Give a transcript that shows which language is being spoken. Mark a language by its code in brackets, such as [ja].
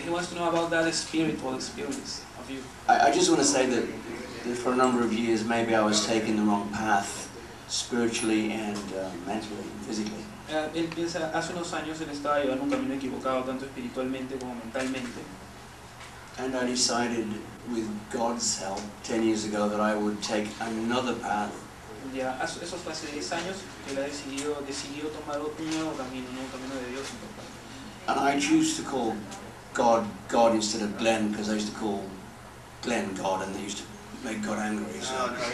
[en] He wants to know about that spiritual experience of you. I just want to say that for a number of years, maybe I was taking the wrong path spiritually and mentally, physically. [es] Él piensa, hace unos años él estaba llevando un camino equivocado tanto espiritualmente como mentalmente. [en] And I decided, with God's help, 10 years ago, that I would take another path. [es] Yeah, eso fue hace 10 años que él ha decidido tomar otro nuevo camino, un nuevo camino de Dios. [en] And I choose to call God God instead of Glenn, because I used to call Glenn God, and they used to make God angry. So.